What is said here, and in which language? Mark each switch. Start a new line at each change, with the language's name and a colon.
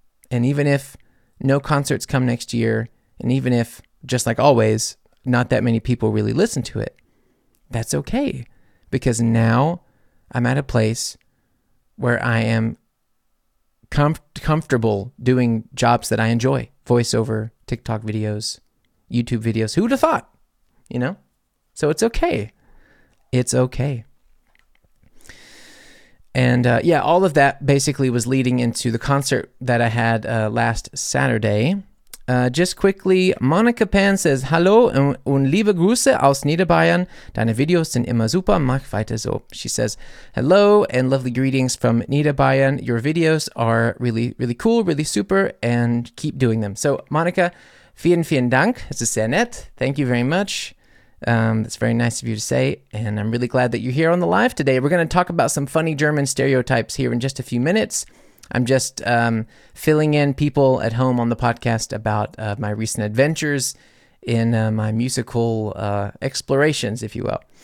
English: And even if no concerts come next year, and even if, just like always, not that many people really listen to it, that's okay, because now I'm at a place where I am comfortable doing jobs that I enjoy, voiceover, TikTok videos, YouTube videos. Who would have thought, you know? So it's okay. It's okay. And yeah, all of that basically was leading into the concert that I had last Saturday.
German: Just quickly, Monica Pan says, Hallo und liebe Grüße aus Niederbayern. Deine Videos sind immer super. Mach weiter so.
English: She says, hello and lovely greetings from Niederbayern. Your videos are really, really cool, really super, and keep doing them.
German: So Monica, vielen, vielen Dank. Es ist sehr nett.
English: Thank you very much. That's very nice of you to say, and I'm really glad that you're here on the live today. We're going to talk about some funny German stereotypes here in just a few minutes. I'm just filling in people at home on the podcast about my recent adventures in my musical explorations, if you will.